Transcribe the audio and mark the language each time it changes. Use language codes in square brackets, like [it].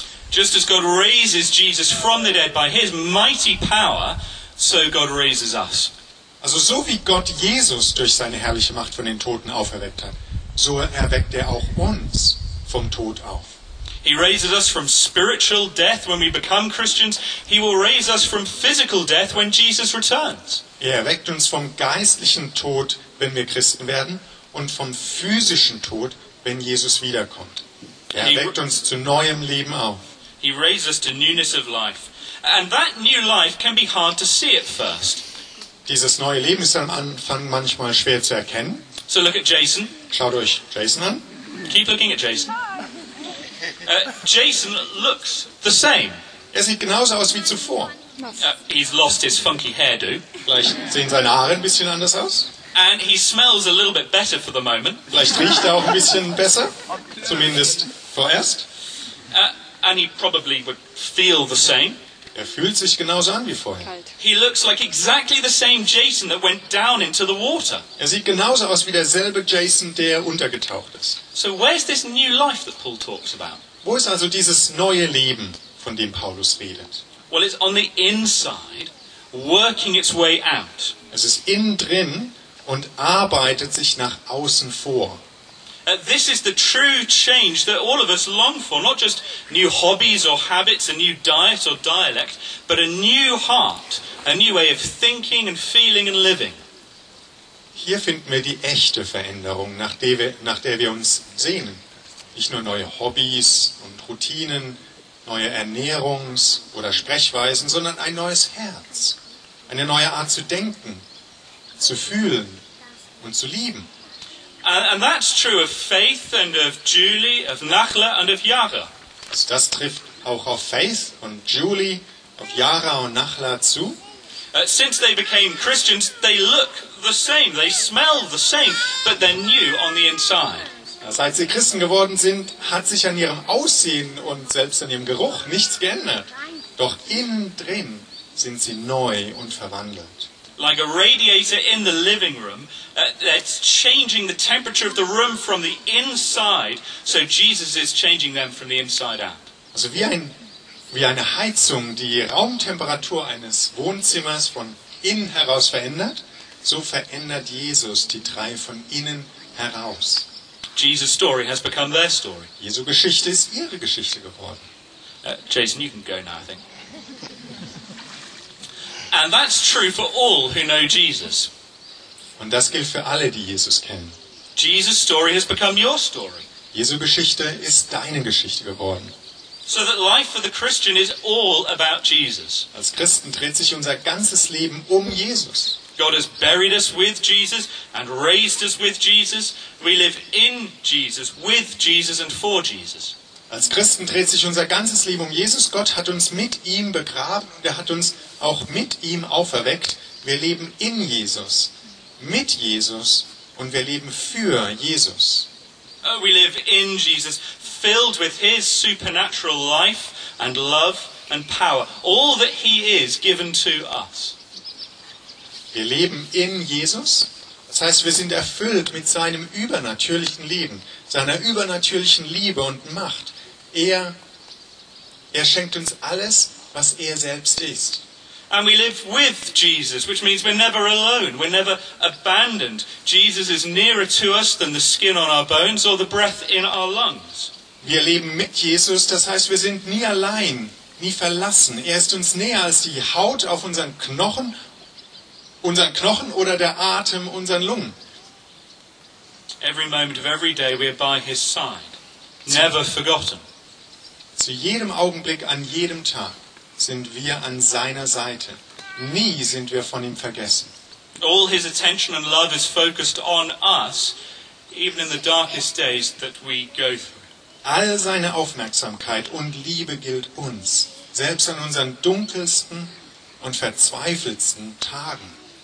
[en] Just as God raises Jesus from the dead by his mighty power, so God raises us. [de] Also so wie Gott Jesus durch seine herrliche Macht von den Toten auferweckt hat, so erweckt er auch uns vom Tod auf. [en] He raises us from spiritual death when we become Christians. He will raise us from physical death when Jesus returns. [de] Er erweckt uns vom geistlichen Tod, wenn wir Christen werden, und vom physischen Tod, wenn Jesus wiederkommt. Er erweckt uns zu neuem Leben auf. [en] He raises us to newness of life. And that new life can be hard to see at first. [de] Dieses neue Leben ist am Anfang manchmal schwer zu erkennen. [en] So look at Jason. [de] Schaut euch Jason an. [en] Keep looking at Jason. Jason looks the same. [de] Er sieht genauso aus wie zuvor. [en] He's lost his funky hairdo. [de] Vielleicht sehen seine Haare ein bisschen anders aus. [en] And he smells a little bit better for the moment. [de] Vielleicht riecht er auch ein bisschen besser, zumindest vorerst. [en] And he probably would feel the same. [de] Er fühlt sich genauso an wie vorher. [en] He looks like exactly the same Jason that went down into the water. [de] Er sieht genauso aus wie derselbe Jason, der untergetaucht ist. [en] So where's this new life that Paul talks about? [de] Wo ist also dieses neue Leben, von dem Paulus redet? [en] Well, it's on the inside, working its way out. [de] Es ist innen drin und arbeitet sich nach außen vor. [en] This is the true change that all of us long for, not just new hobbies or habits, a new diet or dialect, but a new heart, a new way of thinking and feeling and living. [de] Hier finden wir die echte Veränderung, nach der wir uns sehnen. Nicht nur neue Hobbys und Routinen, neue Ernährungs- oder Sprechweisen, sondern ein neues Herz, eine neue Art zu denken, zu fühlen und zu lieben. [en] And that's true of Faith and of Julie, of Nachla and of Yara. [de] Also das trifft auch auf Faith und Julie, auf Yara und Nachla zu. [en] Since they became Christians, they look the same, they smell the same, but they're new on the inside. [de] Seit sie Christen geworden sind, hat sich an ihrem Aussehen und selbst an ihrem Geruch nichts geändert. Doch innen drin sind sie neu und verwandelt. [en] Like a radiator in the living room, that's changing the temperature of the room from the inside, so Jesus is changing them from the inside out. [de] Also wie eine Heizung, die Raumtemperatur eines Wohnzimmers von innen heraus verändert, so verändert Jesus die drei von innen heraus. [en] Jesus' story has become their story. [de] Jesu Geschichte ist ihre Geschichte geworden. [en] Jason, you can go now, I think. [de] And that's true for all who know Jesus. Und das gilt für alle, die Jesus kennen. [en] Jesus' story has become your story. [de] Jesu Geschichte ist deine Geschichte geworden. [en] So that life for the Christian is all about Jesus. [de] Als Christen dreht sich unser ganzes Leben um Jesus. [en] God has buried us with Jesus and raised us with Jesus. We live in Jesus, with Jesus and for Jesus. [de] Als Christen dreht sich unser ganzes Leben um Jesus. Gott hat uns mit ihm begraben und er hat uns auch mit ihm auferweckt. Wir leben in Jesus, mit Jesus und wir leben für Jesus. [en] We live in Jesus, filled with his supernatural life and love and power. All that he is given to us. [de] Wir leben in Jesus. Das heißt, wir sind erfüllt mit seinem übernatürlichen Leben, seiner übernatürlichen Liebe und Macht. Er schenkt uns alles, was er selbst ist. [en] And we live with Jesus, which means we're never alone, we're never abandoned. Jesus is nearer to us than the skin on our bones or the breath in our lungs. [de] Wir leben mit Jesus, das heißt, wir sind nie allein, nie verlassen. Er ist uns näher als die Haut auf unseren Knochen oder der Atem unseren Lungen. [en] Every moment of every day we are by his side, never forgotten. [de] Zu jedem Augenblick, an jedem Tag sind wir an seiner Seite. Nie sind wir von ihm vergessen. [en] All his attention and love is focused on us, even in the darkest days that we go through. [de] All seine Aufmerksamkeit und Liebe gilt uns, selbst an unseren dunkelsten und verzweifeltsten Tagen.